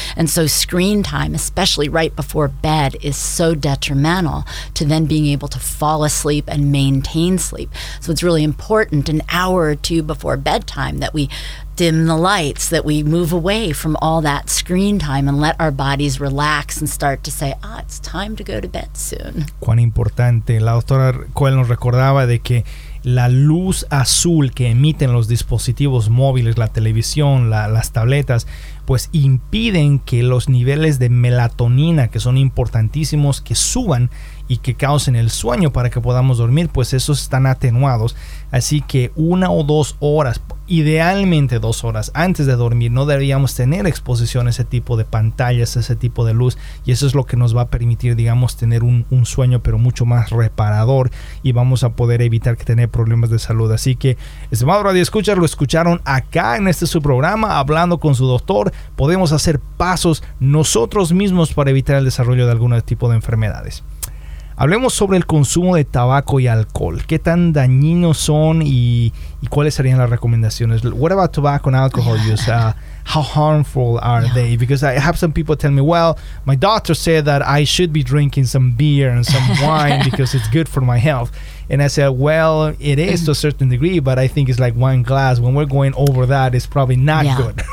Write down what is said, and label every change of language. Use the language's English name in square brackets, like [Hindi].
[English] And so screen time, especially right before bed, is so detrimental to then being able to fall asleep and maintain sleep. So it's really important an hour or two before bedtime that we dim the lights, that we move away from all that screen time and let our bodies relax and start to say, ah, it's time to go to bed soon. [Spanish] Cuán importante. La doctora Coel nos recordaba de que la luz azul que emiten los dispositivos móviles, la televisión, las tabletas, pues impiden que los niveles de melatonina, que son importantísimos, que suban y que causen el sueño para que podamos dormir, pues esos están atenuados. Así que una o dos horas, idealmente dos horas antes de dormir, no deberíamos tener exposición a ese tipo de pantallas, a ese tipo de luz, y eso es lo que nos va a permitir, digamos, tener un sueño, pero mucho más reparador, y vamos a poder evitar que tener problemas de salud. Así que, estimado Radio Escucha, lo escucharon acá en este su programa, hablando con su doctor, podemos hacer pasos nosotros mismos para evitar el desarrollo de algún tipo de enfermedades. Hablemos sobre el consumo de tabaco y alcohol. ¿Qué tan dañinos son y cuáles serían las recomendaciones? [English] What about tobacco and alcohol use? How harmful are they? Because I have some people tell me, well, my doctor said that I should be drinking some beer and some wine because it's good for my health. And I said, well, it is to a certain degree, but I think it's like one glass. When we're going over that, it's probably not good.